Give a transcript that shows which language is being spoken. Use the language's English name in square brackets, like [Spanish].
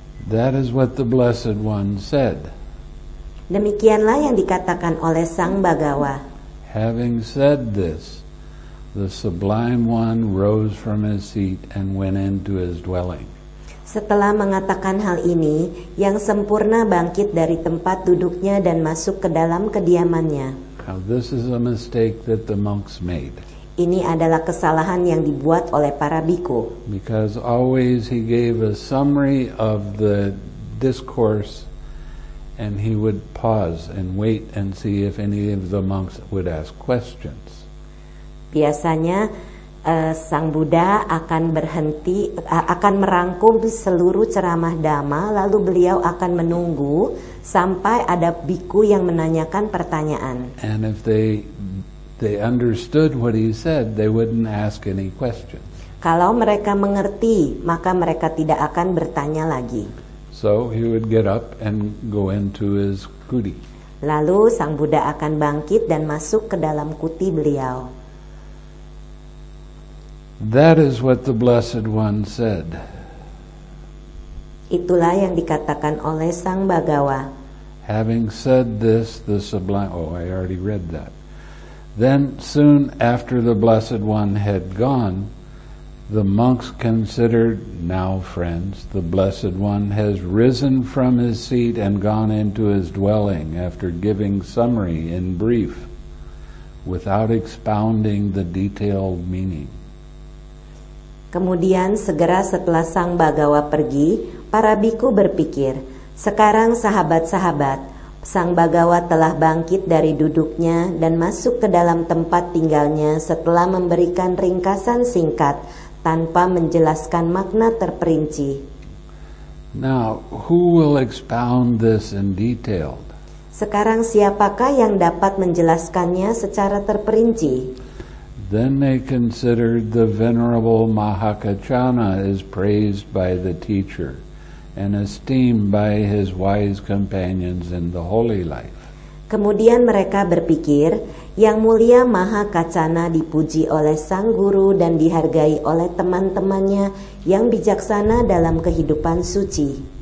[English] That is what the Blessed One said. [Indonesian] Demikianlah yang dikatakan oleh Sang Bhagawa. [English] Having said this, the Sublime One rose from his seat and went into his dwelling. [Indonesian] Setelah mengatakan hal ini, yang sempurna bangkit dari tempat duduknya dan masuk ke dalam kediamannya. [English] Now this is a mistake that the monks made. [Indonesian] Ini adalah kesalahan yang dibuat oleh para bhikkhu. [English] Because always he gave a summary of the discourse and he would pause and wait and see if any of the monks would ask questions. [Indonesian] Biasanya Sang Buddha akan berhenti akan merangkum seluruh ceramah Dhamma, lalu beliau akan menunggu sampai ada bhikkhu yang menanyakan pertanyaan. [English] And if they understood what he said, they wouldn't ask any questions. [Indonesian] Kalau mereka mengerti, maka mereka tidak akan bertanya lagi. [English] So he would get up and go into his kuti. [Indonesian] Lalu Sang Buddha akan bangkit dan masuk ke dalam kuti beliau. [English] That is what the Blessed One said. [Indonesian] Itulah yang dikatakan oleh Sang Bhagawa. [English] Having said this, the Sublime... Oh, I already read that. Then soon after the Blessed One had gone, the monks considered, "Now, friends, the Blessed One has risen from his seat and gone into his dwelling after giving summary in brief, without expounding the detailed meaning." [Indonesian] Kemudian segera setelah Sang Bhagawa pergi, para bhikkhu berpikir, "Sekarang sahabat-sahabat, Sang Bhagawa telah bangkit dari duduknya dan masuk ke dalam tempat tinggalnya setelah memberikan ringkasan singkat tanpa menjelaskan makna terperinci. [English] Now, who will expound this in detail? [Indonesian] Sekarang siapakah yang dapat menjelaskannya secara terperinci? [English] Then they considered the venerable Mahakacana is praised by the teacher and esteemed by his wise companions in the holy life. [Indonesian] Kemudian mereka berpikir, Yang Mulia Mahakacana dipuji oleh Sang Guru dan dihargai oleh teman-temannya yang bijaksana dalam kehidupan suci.